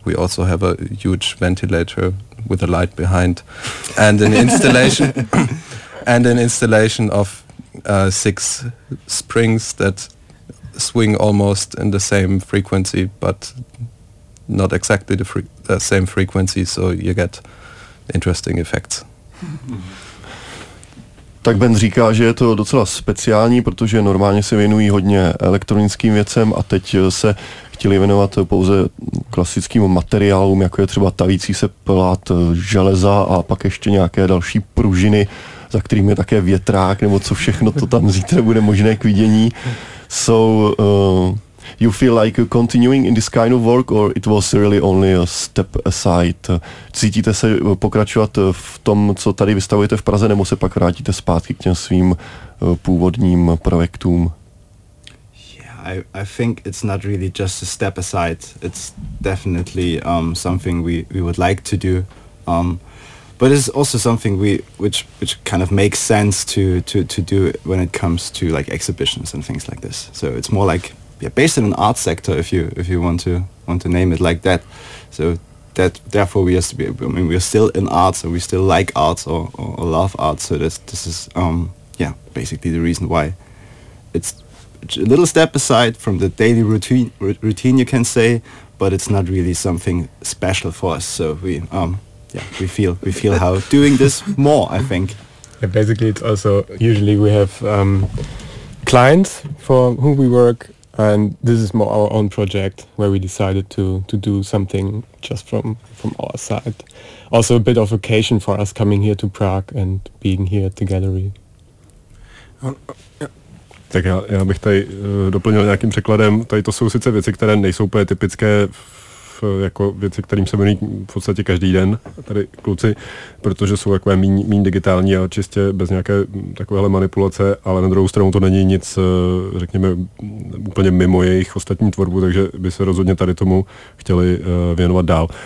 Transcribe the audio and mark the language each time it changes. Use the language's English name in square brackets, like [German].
[English] We also have a huge ventilator with a light behind, and an installation of six springs that swing almost in the same frequency, but not exactly the same frequency, so you get interesting effects. [Czech] Tak Ben říká, že je to docela speciální, protože normálně se věnují hodně elektronickým věcem a teď se chtěli věnovat pouze klasickým materiálům, jako je třeba tavící se plát železa a pak ještě nějaké další pružiny, za kterými je také větrák, nebo co všechno to tam zítra bude možné k vidění. [English] So, you feel like continuing in this kind of work, or it was really only a step aside? [Czech] Cítíte se pokračovat v tom, co tady vystavujete v Praze, nebo se pak vrátíte zpátky k těm svým původním projektům? [English] Yeah, I think it's not really just a step aside. It's definitely something we would like to do. But it's also something which kind of makes sense to do when it comes to like exhibitions and things like this. So it's more like, yeah, based in an art sector, if you want to name it like that. So therefore we are still in art, so we still like art or love art. So this is basically the reason why it's a little step aside from the daily routine, you can say, but it's not really something special for us. So we feel how doing this more, I think. Yeah, basically it's also usually we have clients for whom we work. And this is more our own project where we decided to do something just from our side. Also a bit of vacation for us coming here to Prague and being here at the gallery. [Czech] Tak já bych tady doplnil nějakým překladem. Tady to jsou sice věci, které nejsou úplně typické, jako věci, kterým se věnují v podstatě každý den tady kluci, protože jsou takové míň digitální a čistě bez nějaké takovéhle manipulace, ale na druhou stranu to není nic, řekněme, úplně mimo jejich ostatní tvorbu, takže by se rozhodně tady tomu chtěli věnovat dál.